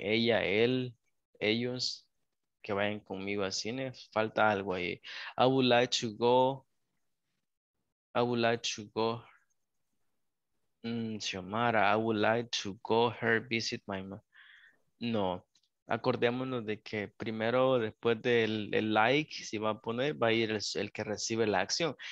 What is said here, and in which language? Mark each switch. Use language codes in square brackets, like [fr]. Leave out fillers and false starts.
[es] Ella, él, ellos, que vayan conmigo al cine. Falta algo ahí. [en] I would like to go. Xiomara, I would like to go her visit my mom. [es] No, acordémonos de que primero, después del el like, si va a poner, va a ir el que recibe la acción.